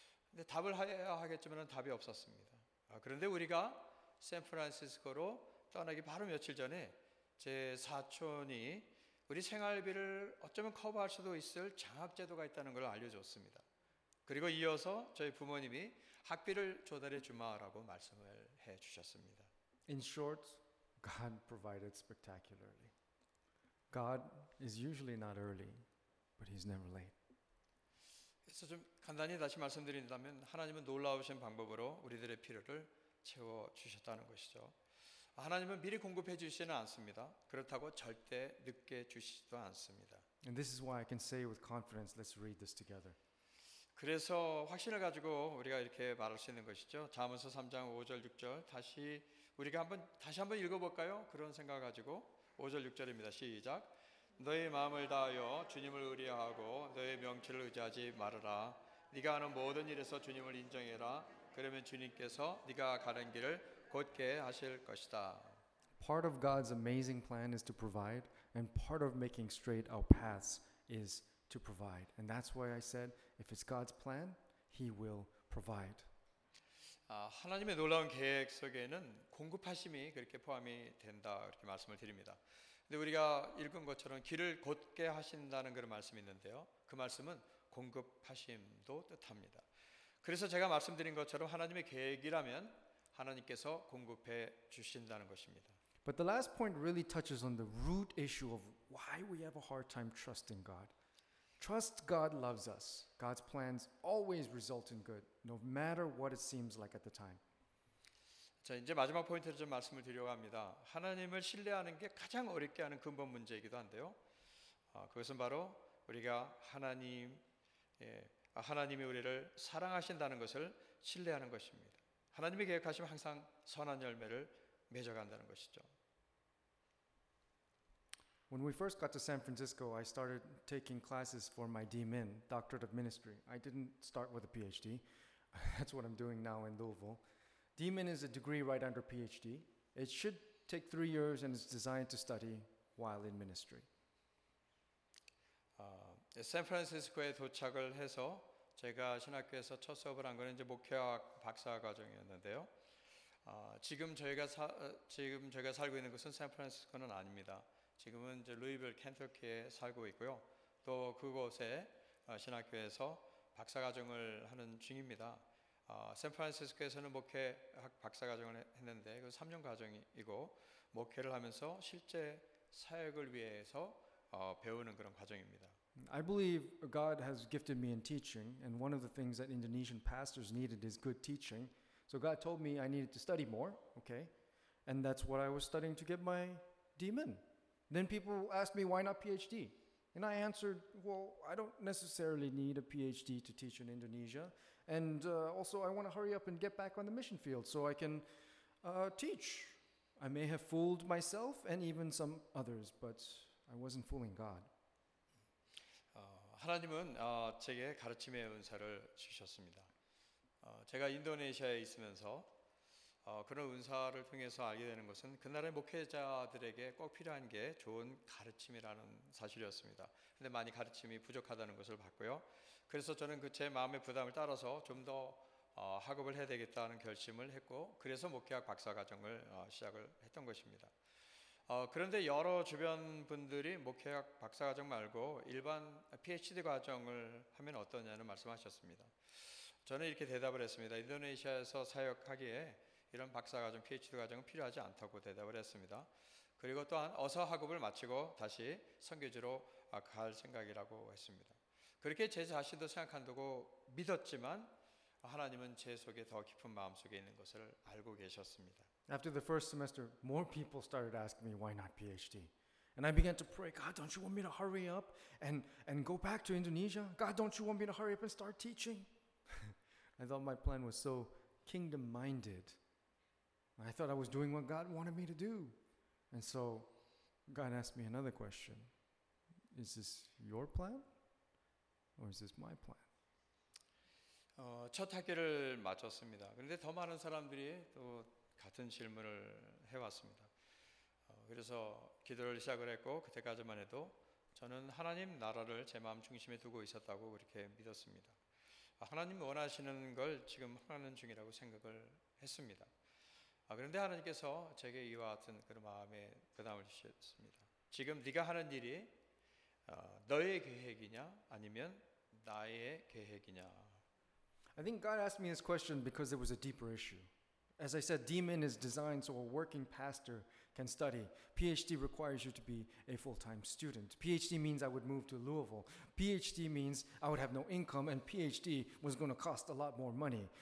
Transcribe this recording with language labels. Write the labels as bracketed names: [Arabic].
[Korean] 근데 답을 해야 하겠지만은 답이 없었습니다. 그런데 우리가 샌프란시스코로 떠나기 바로 며칠 전에 제 사촌이 우리 생활비를 어쩌면 커버할 수도 있을 장학제도가 있다는 걸 알려줬습니다. 그리고 이어서 저희 부모님이 학비를 조달해 주마라고 말씀을 해 주셨습니다. [English] In short, God provided spectacularly. God is usually not early, but he's never late. [Korean] 그래서 좀 간단히 다시 말씀드린다면 하나님은 놀라우신 방법으로 우리들의 필요를 채워 주셨다는 것이죠. 하나님은 미리 공급해 주시지는 않습니다. 그렇다고 절대 늦게 주시지도 않습니다. [English] And this is why I can say with confidence, let's read this together. [Korean] 그래서 확신을 가지고 우리가 이렇게 말할 수 있는 것이죠. 잠언서 3장 5절 6절 다시 우리가 한번 다시 한번 읽어볼까요? 그런 생각 가지고 5절 6절입니다. 시작. 너의 마음을 다하여 주님을 의뢰하고 너의 명철을 의지하지 말아라. 네가 하는 모든 일에서 주님을 인정해라. 그러면 주님께서 네가 가는 길을 곧게 하실 것이다. [English] Part of God's amazing plan is to provide, and part of making straight our paths is to provide. And that's why I said, if it's God's plan, He will provide. [Korean] 하나님의 놀라운 계획 속에는 공급하심이 그렇게 포함이 된다 이렇게 말씀을 드립니다. 근데 우리가 읽은 것처럼 길을 곧게 하신다는 그런 말씀이 있는데요. 그 말씀은 공급하심도 뜻합니다. 그래서 제가 말씀드린 것처럼 하나님의 계획이라면 하나님께서 공급해 주신다는 것입니다. [English] But the last point really touches on the root issue of why we have a hard time trusting God. Trust God loves us. God's plans always result in good, no matter what it seems like at the time. [Korean] 자, 이제 마지막 포인트를 좀 말씀을 드리려고 합니다. 하나님을 신뢰하는 게 가장 어렵게 하는 근본 문제이기도 한데요. 그것은 바로 우리가 하나님이 우리를 사랑하신다는 것을 신뢰하는 것입니다. 하나님이 계획하시면 항상 선한 열매를 맺어간다는 것이죠. [English] When we first got to San Francisco, I started taking classes for my DMin, Doctorate of Ministry. I didn't start with a PhD. That's what I'm doing now in Louisville. DMin is a degree right under PhD. It should take 3 years and is designed to study while in ministry. [Korean] 샌프란시스코에 도착을 해서 제가 신학교에서 첫 수업을 한 거는 이제 목회학 박사 과정이었는데요. 지금 저희가 살고 있는 곳은 샌프란시스코는 아닙니다. 지금은 이제 루이빌 켄터키에 살고 있고요. 또 그곳에 신학교에서 박사 과정을 하는 중입니다. 샌프란시스코에서는 목회학 박사 과정을 했는데 그 3년 과정이고 목회를 하면서 실제 사역을 위해서 배우는 그런 과정입니다. [English] I believe God has gifted me in teaching, and one of the things that Indonesian pastors needed is good teaching. So God told me I needed to study more, okay? And that's what I was studying to get my DMin. Then people asked me, why not PhD? And I answered, well, I don't necessarily need a PhD to teach in Indonesia. And also, I want to hurry up and get back on the mission field so I can teach. I may have fooled myself and even some others, but I wasn't fooling God. [Korean] 하나님은 제게 가르침의 은사를 주셨습니다. 제가 인도네시아에 있으면서 그런 은사를 통해서 알게 되는 것은 그날의 목회자들에게 꼭 필요한 게 좋은 가르침이라는 사실이었습니다. 근데 많이 가르침이 부족하다는 것을 봤고요. 그래서 저는 그 제 마음의 부담을 따라서 좀 더 학업을 해야 되겠다는 결심을 했고, 그래서 목회학 박사과정을 시작을 했던 것입니다. 그런데 여러 주변 분들이 목회학 박사과정 말고 일반 PhD 과정을 하면 어떠냐는 말씀하셨습니다. 저는 이렇게 대답을 했습니다. 인도네시아에서 사역하기에 이런 박사과정, PhD 과정은 필요하지 않다고 대답을 했습니다. 그리고 또한 어서 학업을 마치고 다시 선교지로 갈 생각이라고 했습니다. 그렇게 제 자신도 생각한다고 믿었지만 하나님은 제 속에 더 깊은 마음 속에 있는 것을 알고 계셨습니다. [English] After the first semester, more people started asking me why not PhD. And I began to pray, God, don't you want me to hurry up and go back to Indonesia? God, don't you want me to hurry up and start teaching? I thought my plan was so kingdom-minded. I thought I was doing what God wanted me to do. And so God asked me another question. Is this your plan? Or is this my plan? [Korean] 첫 학기를 마쳤습니다. 그런데 더 많은 사람들이 또 같은 질문을 해왔습니다. 그래서 기도를 시작을 했고, 그때까지만 해도 저는 하나님 나라를 제 마음 중심에 두고 있었다고 그렇게 믿었습니다. 하나님 원하시는 걸 지금 하는 중이라고 생각을 했습니다. 그런데 하나님께서 제게 이와 같은 그런 마음의 부담을 주셨습니다. 지금 네가 하는 일이 너의 계획이냐 아니면 나의 계획이냐. [English] I think God asked me this question because there was a deeper issue. As I said, DMIN is designed so a working pastor can study. PhD requires you to be a full-time student. PhD means I would move to Louisville. PhD means I would have no income, and PhD was going to cost a lot more money.